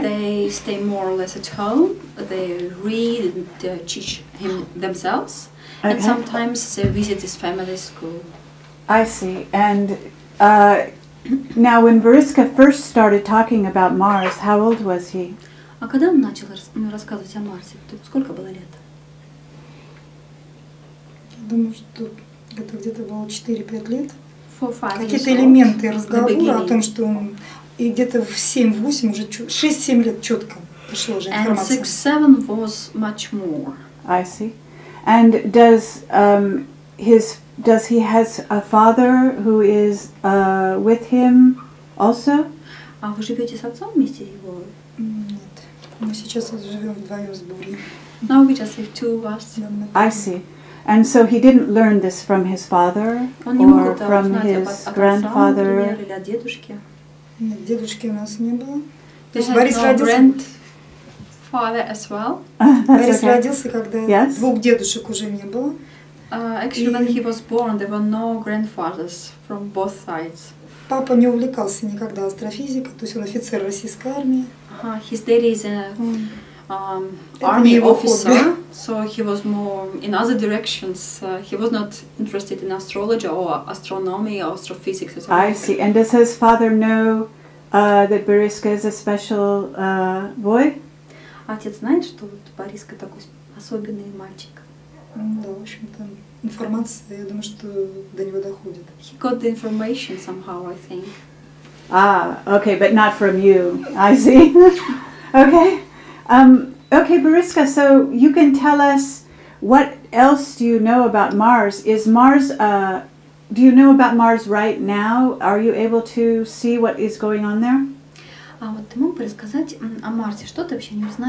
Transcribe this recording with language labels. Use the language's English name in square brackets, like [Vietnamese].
[English] They stay more or less at home. They read and teach him themselves. Okay. And sometimes they visit his family school. I see. And now, when Boriska first started talking about Mars, how old was he? [Russian] А когда он начал рассказывать о Марсе, то сколько было лет? Думаю, что это где-то было 4-5 лет. Какие-то элементы разговора о том, что он... И где-то в 7-8, уже 6-7 лет четко пришла уже информация. [English] And 6-7 was much more. I see. And does his... Does he has a father who is with him also? [Russian] А вы живете с отцом вместе его? Нет. Мы сейчас живем вдвоем с Бори. [English] Now we just have two of us. I see. And so he didn't learn this from his father or from his grandfather. [Russian] Нет, дедушки у нас не было. То есть Борис родился. [English] Father as well. [Russian] Борис родился, когда двух дедушек уже не было. [English] Actually, when he was born, there were no grandfathers from both sides. [Russian] Папа не увлекался никогда астрофизикой, то есть он офицер российской армии. [English] His daddy is a army officer, so he was more in other directions. He was not interested in astrology or astronomy or astrophysics. Or I see. And does his father know that Boriska is a special boy? [Russian] Отец знает, что Бориска такой особенный мальчик. Да, в общем-то, информация, я думаю, что до него доходит. [English] He got the information somehow, I think. Ah, okay, but not from you. I see. Okay. Okay, Boriska, so you can tell us what else do you know about Mars? Is Mars, do you know about Mars right now? Are you able to see what is going on there? [Russian] А вот ты мог бы рассказать о Марсе? Что ты вообще не знаешь?